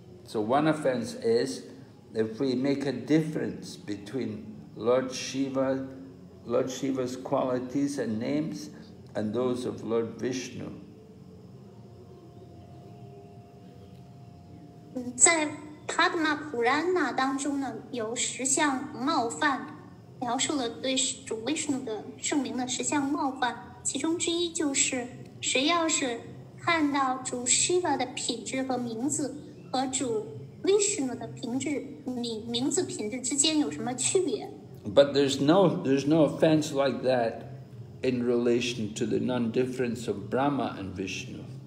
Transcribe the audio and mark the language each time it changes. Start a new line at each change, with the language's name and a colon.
English: So one offense is if we make a difference between Lord Shiva's qualities and names, and those of Lord Vishnu.
Chinese: 在《帕德玛普拉纳》当中呢，有十项冒犯描述了对主威士努的圣灵的十项冒犯，其中之一就是谁要是看到主 Shiva 的品质和名字和主威士努的品质名字品质之间有什么区别。
English: But there's no offense like that in relation to the non-difference of Brahma and Vishnu.